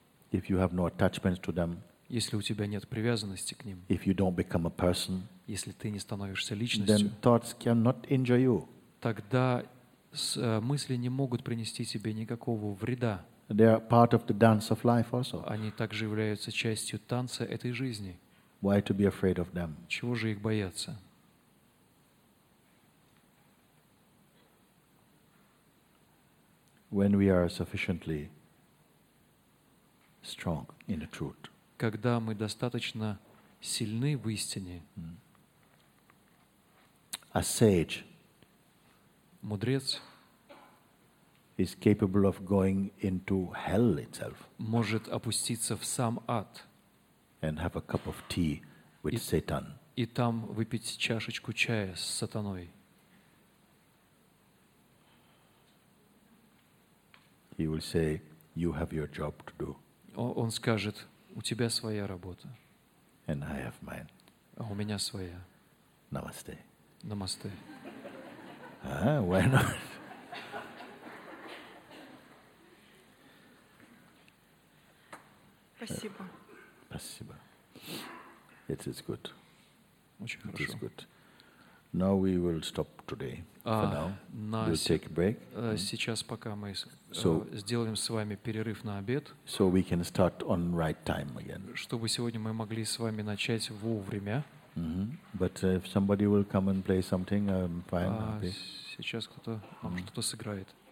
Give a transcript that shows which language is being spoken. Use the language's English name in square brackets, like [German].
[English] If you have no attachments to them. [Russian] Если у тебя нет привязанности к ним. [English] If you don't become a person. [Russian] Если ты не становишься личностью. [English] Then thoughts cannot injure you. [Russian] Тогда мысли не могут принести тебе никакого вреда. [English] They are part of the dance of life also. [Russian] Они также являются частью танца этой жизни. [English] Why to be afraid of them? [Russian] Чего же их бояться? [English] When we are sufficiently strong in the truth. [Russian] Когда мы достаточно сильны в истине. [English] A sage. [Russian] Мудрец. [English] Is capable of going into hell itself. [Russian] Может опуститься в сам ад. [English] And have a cup of tea with Satan. [Russian] И там выпить чашечку чая с сатаной. [English] He will say, "You have your job to do." [Russian] Он скажет, у тебя своя работа. [English] And I have mine. [Russian] А у меня своя. [English] Namaste. [Russian] Namaste. [English] Why not? [Russian] Спасибо. [English] It is good. [Russian] Очень хорошо. [English] It is good. Now we will stop today. We'll take a break. [Russian] Сейчас пока мы сделаем с вами перерыв на обед. [English] So we can start on right time again. [Russian] Чтобы сегодня мы могли с вами начать вовремя. [English] But if somebody will come and play something, I'm fine. [Russian] Сейчас кто-то нам что-то сыграет.